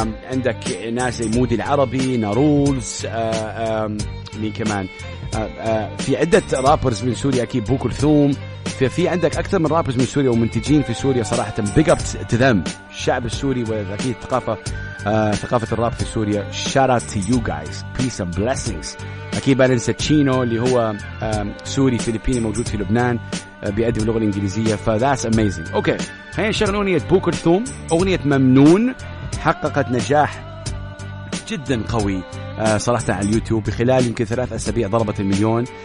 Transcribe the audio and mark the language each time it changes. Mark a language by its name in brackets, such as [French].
[Arabic] عندك ناس زي مودي العربي, ناروز, مين كمان, في عدة رابرز من سوريا أكيد, بو كلثوم. في عندك أكثر من رابرز من سوريا ومنتجين في سوريا صراحة. [English] big up to them, [Arabic] الشعب السوري وأكيد ثقافة ثقافة الراب في سوريا. [English] shout out to you guys, peace and blessings. [Arabic] أكيد بننسى تشينو اللي هو سوري فلبيني موجود في لبنان, بيأدي باللغة الإنجليزية. [English] ف that's amazing. [Arabic] okay, هاي نشغل أغنية بو كلثوم. أغنية ممنون حققت نجاح جدا قوي صراحة على اليوتيوب, بخلال يمكن 3 أسابيع ضربت المليون.